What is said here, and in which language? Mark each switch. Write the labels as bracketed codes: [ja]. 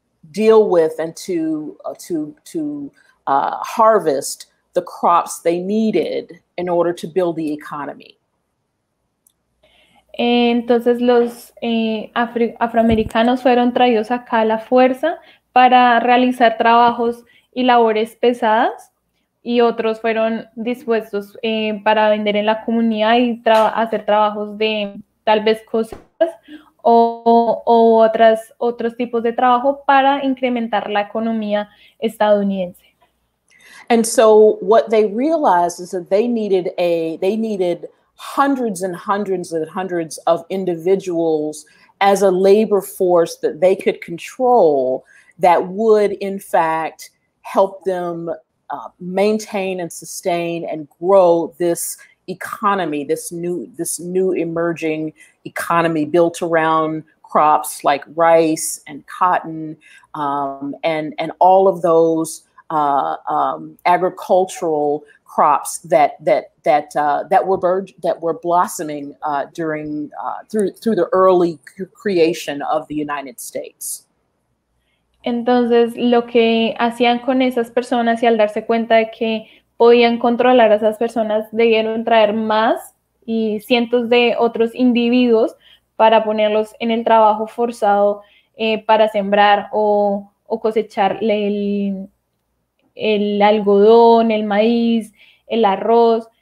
[en] deal with and to harvest the crops they needed in order to build the economy. [es] Entonces los afroamericanos fueron traídos acá a la fuerza para realizar trabajos y labores pesadas, y otros fueron dispuestos para vender en la comunidad y hacer trabajos de tal vez cosas o otros tipos de trabajo para incrementar la economía estadounidense. [en] And so what they realized is that they needed hundreds and hundreds and hundreds of individuals as a labor force that they could control that would in fact help them maintain and sustain and grow this economy, this new emerging economy built around crops like rice and cotton and all of those agricultural crops that were blossoming through the early creation of the United States. [es] Entonces, lo que hacían con esas personas y al darse cuenta de que podían controlar a esas personas, debieron traer más y cientos de otros individuos para ponerlos en el trabajo forzado para sembrar o cosechar el algodón, el maíz, el arroz.